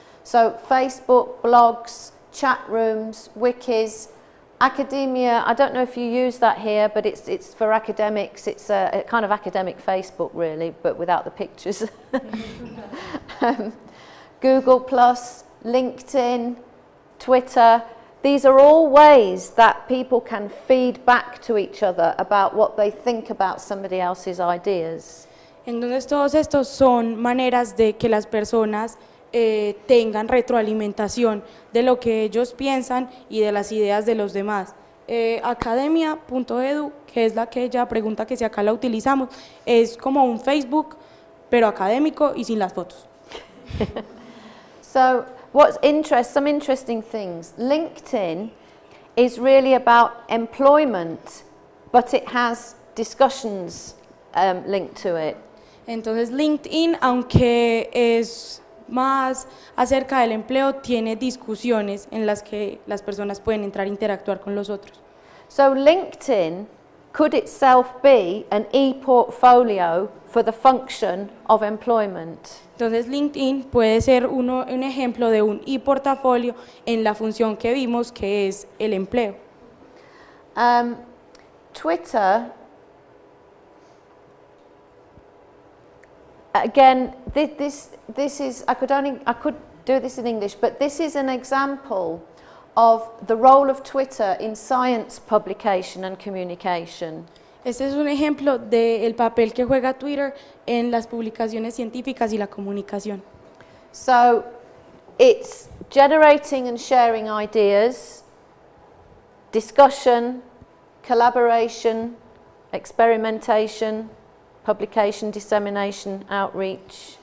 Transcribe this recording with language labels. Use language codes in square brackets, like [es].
[en] So Facebook, blogs, chat rooms, wikis, academia, I don't know if you use that here, but it's for academics, it's a kind of academic Facebook really, but without the pictures. Google Plus, LinkedIn, Twitter. These are all ways that people can feed back to each other about what they think about somebody else's ideas. [es] Entonces, todos estos son maneras de que las personas tengan retroalimentación de lo que ellos piensan y de las ideas de los demás. Academia.edu, que es la que ella pregunta que si acá la utilizamos, es como un Facebook, pero académico y sin las fotos. [en] So, some interesting things. LinkedIn is really about employment, but it has discussions linked to it. [es] Entonces LinkedIn, aunque es más acerca del empleo, tiene discusiones en las que las personas pueden entrar e interactuar con los otros. [en] So LinkedIn could itself be an e-portfolio for the function of employment. [es] Entonces LinkedIn puede ser un ejemplo de un e-portafolio en la función que vimos que es el empleo. [en] Twitter, again, I could do this in English, but this is an example of the role of Twitter in science publication and communication. [es] Este es un ejemplo del papel que juega Twitter en las publicaciones científicas y la comunicación. [en] So, it's generating and sharing ideas, discussion, collaboration, experimentation, publication, dissemination, outreach.